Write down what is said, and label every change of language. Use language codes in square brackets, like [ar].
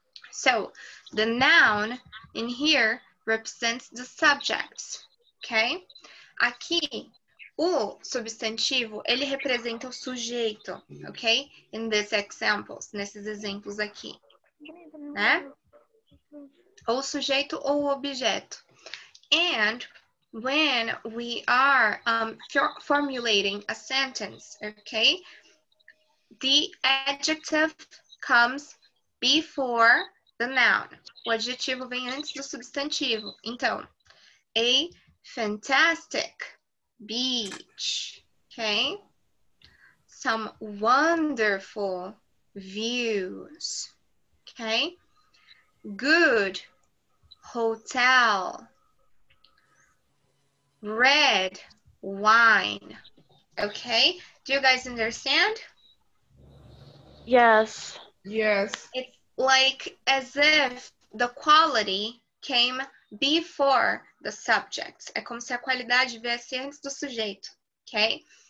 [en] So the noun in here represents the subject, okay? [pt] Aqui, o substantivo, ele representa o sujeito, okay? [en] In these examples, [pt] nesses exemplos aqui, né? Ou sujeito ou objeto. [en] And when we are formulating a sentence, okay? The adjective comes before the noun. [pt] O adjetivo vem antes do substantivo. Então, [en] a fantastic beach, okay? Some wonderful views, okay? Good hotel, red wine, okay? Do you guys understand? Yes. Yes. It's like as if the quality came before the subject. [pt] É como se a qualidade viesse antes do sujeito, okay?